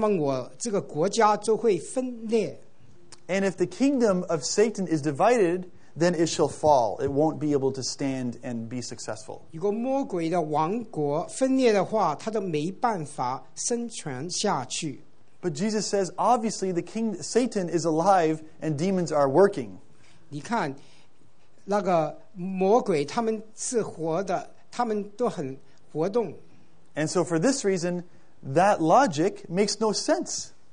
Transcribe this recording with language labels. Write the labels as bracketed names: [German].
[Chinese] 如果我是鬼皇，我把鬼赶出去，那么我这个国家就会分裂。 [English] And if the kingdom of Satan is divided, then it shall fall. It won't be able to stand and be successful. [Chinese] 如果魔鬼的王国分裂的话，他都没办法生存下去。 [English] But Jesus says, obviously, the king Satan is alive and demons are working. [Chinese] 你看。那个魔鬼他们是活的，他们都很活动。 [English] And so for this reason, that logic makes no sense.